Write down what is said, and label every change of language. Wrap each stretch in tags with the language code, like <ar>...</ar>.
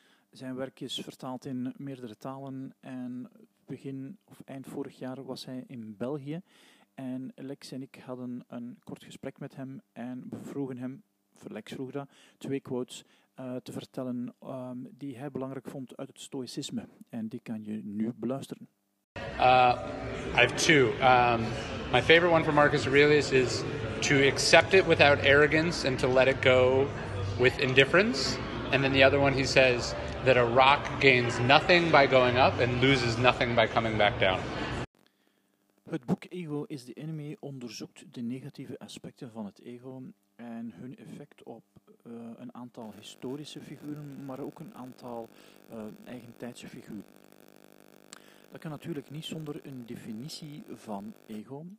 <nl>Zijn werk is vertaald in meerdere talen en begin of eind vorig jaar was hij in België. En Lex en ik hadden een kort gesprek met hem en vroegen hem, Lex vroeg dat, twee quotes te vertellen die hij belangrijk vond uit het stoïcisme. En die kan je nu beluisteren.</nl> <en>I have two. My favorite one from Marcus Aurelius is to accept it without arrogance and to let it go with indifference. And then the other one he says that a rock gains nothing by going up and loses nothing by coming back down.</en> <nl>Het boek Ego is the Enemy onderzoekt de negatieve aspecten van het ego en hun effect op een aantal historische figuren, maar ook een aantal eigentijdse figuren. Dat kan natuurlijk niet zonder een definitie van ego.</nl>